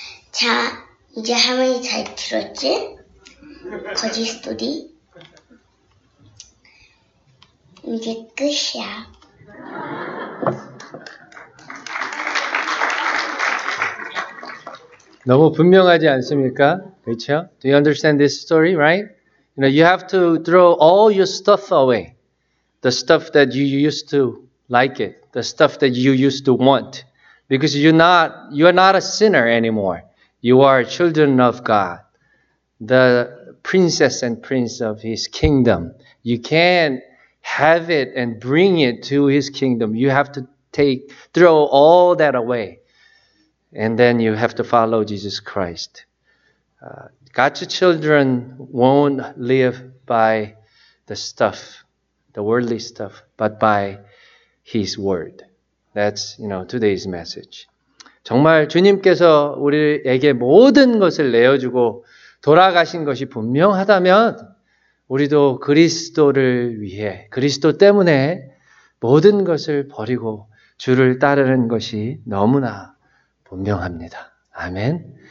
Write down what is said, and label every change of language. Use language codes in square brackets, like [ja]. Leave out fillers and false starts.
[ko] 자, 이제 할머니 잘 들었지? 거짓 스토리. 이제 끝이야. 너무 분명하지 않습니까? 그렇죠? [en] Do you understand this story, right? You know, you have to throw all your stuff away. The stuff that you used to like it. The stuff that you used to want. Because you are not a sinner anymore. You are children of God, the princess and prince of his kingdom. You can't have it and bring it to his kingdom. You have to throw all that away. And then you have to follow Jesus Christ. God's children won't live by the stuff, the worldly stuff, but by his word. That's, you know, today's message. [ko] 정말 주님께서 우리에게 모든 것을 내어주고 돌아가신 것이 분명하다면 우리도 그리스도를 위해, 그리스도 때문에 모든 것을 버리고 주를 따르는 것이 너무나 분명합니다. 아멘.